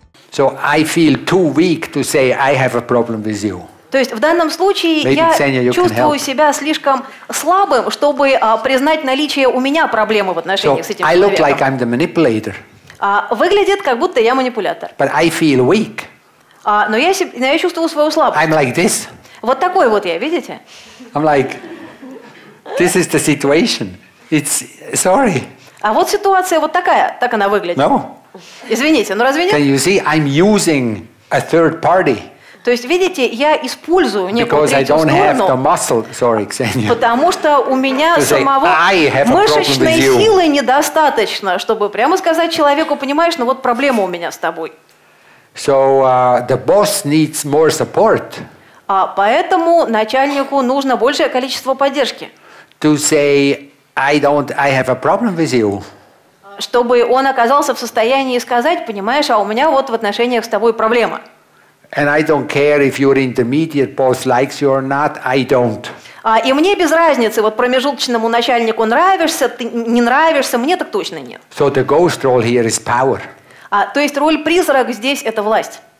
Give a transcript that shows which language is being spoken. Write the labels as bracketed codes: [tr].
[en] So I feel too weak to say I have a problem with you. [ru] То есть в данном случае я чувствую себя слишком слабым, чтобы признать наличие у меня проблемы в отношениях с этим человеком. [en] I look like I'm the manipulator. [ru] Выглядит, как будто я манипулятор. [en] But I feel weak. [ru] Но я чувствую свою слабость. [en] I'm like this. [ru] Вот такой вот я, видите? [en] I'm like, this is the situation. It's sorry. [ru] А вот ситуация вот такая, так она выглядит. [en] No. [ru] Извините, но разве нет? [en] Can you see, I'm using a third party. [ru] То есть, видите, я использую некую [en] Because I don't have the muscle. Sorry, Ksenia. [ru] Потому что у меня [en] to [ru] самого [en] say, [ru] мышечной силы недостаточно, чтобы прямо сказать человеку, понимаешь, ну вот проблема у меня с тобой. [en] So, the boss needs more support. [ru] Поэтому начальнику нужно большее количество поддержки. [en] To say, I have a problem with you. [ru] Чтобы он оказался в состоянии сказать, понимаешь, а у меня вот в отношениях с тобой проблема. [en] And I don't care if your intermediate boss likes you or not. I don't. [ru] И мне без разницы, вот промежуточному начальнику нравишься, ты не нравишься, мне так точно нет. [en] So the ghost role here is power. [ru] То есть роль призрака здесь — это власть.